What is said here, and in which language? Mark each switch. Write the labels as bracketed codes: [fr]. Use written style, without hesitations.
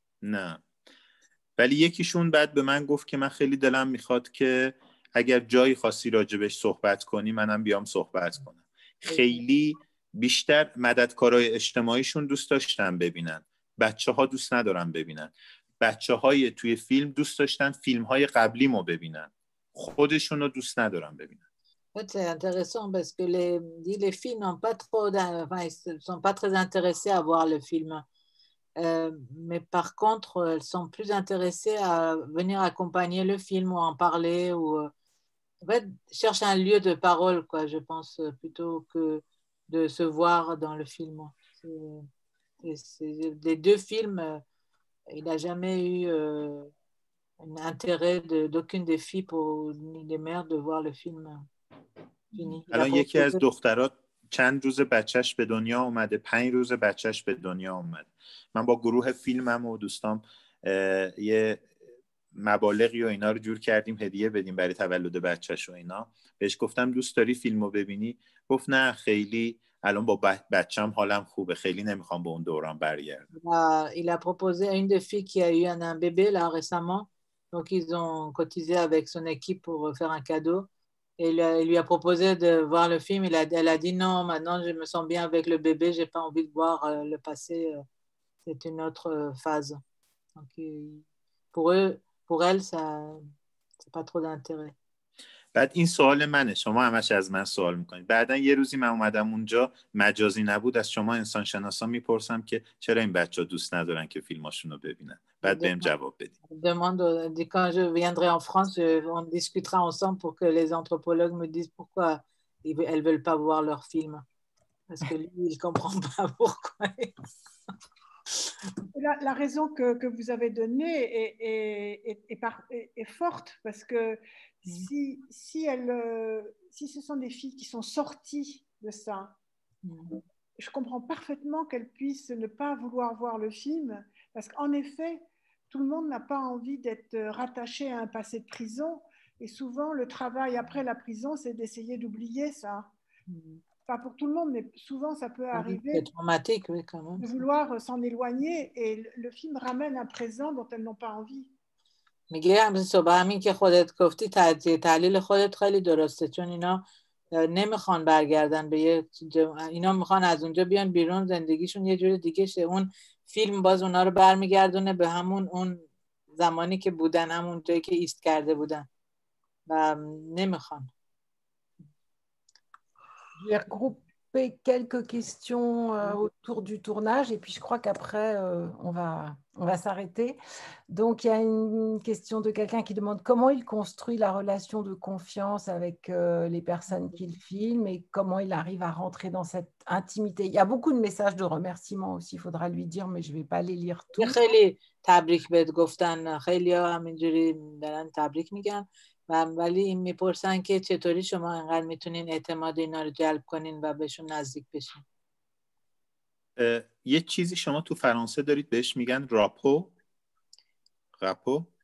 [fa] نه، ولی یکیشون بعد به من گفت که من خیلی دلم میخواد که اگر جایی خاصی راجبش صحبت کنی منم بیام صحبت کنم. خیلی بیشتر مددکارای اجتماعیشون دوست داشتن ببینن، بچه ها دوست ندارن ببینن. بچه های توی فیلم دوست داشتن فیلم های قبلیمو ببینن، خودشونو دوست ندارن ببینن. [fr] C'est intéressant parce que les filles n'ont pas trop, enfin, ils sont pas très intéressées à voir le film. Mais par contre, elles sont plus intéressées à venir accompagner le film ou en parler ou en fait, chercher un lieu de parole, quoi, je pense, plutôt que de se voir dans le film. Des deux films, il n'a jamais eu un intérêt d'aucune des filles pour, ni des mères de voir le film fini. Alors, il y a quelques doctorats. [fa] چند روز بچهش به دنیا اومده، پنج روز بچهش به دنیا اومده. من با گروه فیلمم و دوستام یه مبالغی و اینا رو جور کردیم هدیه بدیم برای تولد بچهش و اینا. بهش گفتم دوست داری فیلمو ببینی؟ گفت نه خیلی الان با بچه‌م حالم خوبه، خیلی نمیخوام به اون دوران برگردم. [fr] Il a proposé à une des filles qui a eu un bébé là récemment. Donc ils ont cotisé avec son équipe pour faire un cadeau. Et il lui a proposé de voir le film. Elle a dit non, maintenant je me sens bien avec le bébé, je n'ai pas envie de voir le passé. C'est une autre phase. Donc, pour eux, pour elle, ça n'a pas trop d'intérêt. [fa] بعد این سوال منه، شما همش از من سوال میکنید. بعدا یه روزی من اومدم اونجا مجازی نبود، از شما انسان شناسا میپرسم که چرا این بچه ها دوست ندارن که فیلماشون رو ببینن، بعد بهم جواب بدید. [fr] Demande de quand je viendrai en France, on discutera ensemble pour que les anthropologues me disent pourquoi elles veulent pas voir leur film, parce que lui il comprend pas pourquoi. La raison que vous avez donnée est forte, parce que si ce sont des filles qui sont sorties de ça, je comprends parfaitement qu'elles puissent ne pas vouloir voir le film, parce qu'en effet, tout le monde n'a pas envie d'être rattaché à un passé de prison, et souvent le travail après la prison, c'est d'essayer d'oublier ça. Pas pour tout le monde, mais souvent ça peut arriver. C'est traumatique, oui, quand même. De vouloir s'en éloigner, et le film ramène un présent dont elles n'ont pas envie. [fa] میگم صبح همین که خودت گفتی تحلیل خودت خیلی درسته، چون اینا نمیخوان برگردن به یه اینا میخوان از اونجا بیان بیرون، زندگیشون یه جور دیگه شه. اون فیلم باز اونا رو برمیگردونه به همون اون زمانی که بودن، همون جایی که ایست کرده بودن و نمیخوان. [fr] J'ai regroupé quelques questions autour du tournage et puis je crois qu'après on va s'arrêter. Donc il y a une question de quelqu'un qui demande comment il construit la relation de confiance avec les personnes qu'il filme et comment il arrive à rentrer dans cette intimité. Il y a beaucoup de messages de remerciement aussi, il faudra lui dire, mais je ne vais pas les lire tous. [fa] خیلی تبریک بهت گفتن، خیلی همینجوری دارن تبریک میگن، ولی این میپرسن که چطوری شما انقدر میتونین اعتماد اینا رو جلب کنین و بهشون نزدیک بشین. یه چیزی شما تو فرانسه دارید بهش میگن راپو، راپو،